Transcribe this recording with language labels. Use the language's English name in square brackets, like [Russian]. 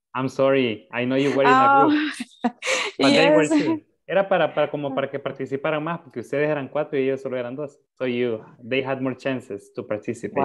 [English] I'm sorry, I know you were in a group. But yes. They were two. [Spanish] Era para como para que participaran más, porque ustedes eran cuatro y ellos solo eran dos. [English] So you, they had more chances to participate.